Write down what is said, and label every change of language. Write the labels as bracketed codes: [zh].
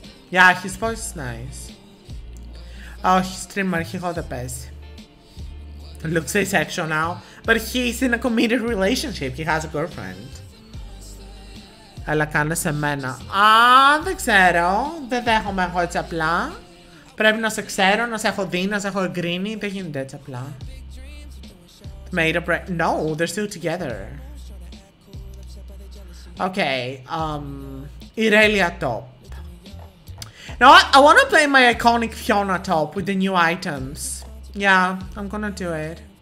[en] Yeah, his voice is nice. Oh, he's streamer, he got the best. Looks asexual now. But he's in a committed relationship, he has a girlfriend. [el] Αλλά κάνε σε μένα. Α, δεν ξέρω. Δεν δέχομαι εγώ έτσι απλά. Πρέπει να σε ξέρω, να σε έχω δει, να σε έχω εγκρίνει. Δεν γίνεται έτσι απλά. [en] Made up right. No, they're still together. Okay. Irelia top. Now, I want to play my iconic Fiona top with the new items. Yeah, I'm gonna do it.